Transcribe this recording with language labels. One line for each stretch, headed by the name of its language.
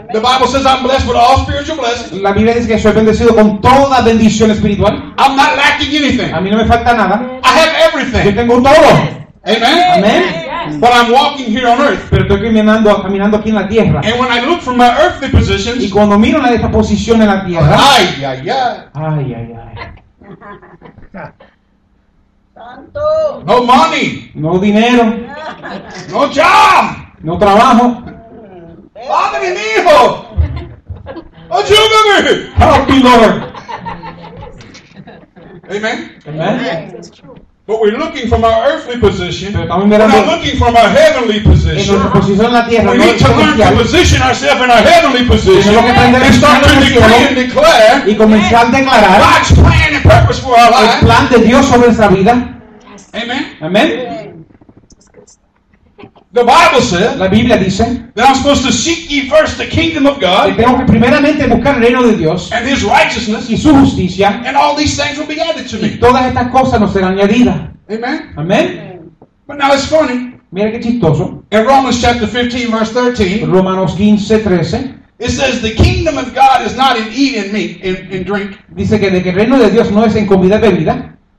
English: The Bible says I'm blessed with all spiritual blessings.
Spanish: La Biblia dice que soy bendecido con toda bendición espiritual.
English: I'm not lacking anything.
Spanish: A mí no me falta nada.
English: I have everything.
Spanish: Yo tengo todo.
English: Amen.
Spanish: Amen.
English: But I'm walking here on earth.
Spanish: Pero estoy caminando aquí en la tierra.
English: And when I look from my earthly positions.
Spanish: Y cuando miro en esta posición en la tierra. Ay, ay, ay. Ay, ay, ay.
English: No money.
Spanish: No dinero.
English: No job.
Spanish: No trabajo. Padre y hijo. Ayúdame.
English: Help me, Lord. Amen.
Spanish: Amen.
English: But we're looking from our earthly position. We're not looking from our heavenly position.
Spanish: Tierra,
English: we need to learn to position ourselves in our heavenly position and start to decree and declare God's plan and purpose for our life.
Spanish: El plan de Dios sobre nuestra vida.
English: Amen.
Spanish: Amen.
English: The Bible says,
Spanish: la Biblia dice,
English: that I'm supposed to seek ye first the kingdom of God,
Spanish: que tengo que primeramente buscar el reino de Dios,
English: and his righteousness,
Spanish: y su justicia,
English: and all these things will be added to me.
Spanish: Y todas estas cosas nos serán añadidas.
English: Amen.
Spanish: Amen.
English: But now it's funny.
Spanish: Mira qué chistoso.
English: In Romans chapter 15, verse 13,
Spanish: Romanos 15, 13,
English: it says the kingdom of God is not in eating and meat and drink.
Spanish: Dice que el reino de Dios no es en comida y bebida,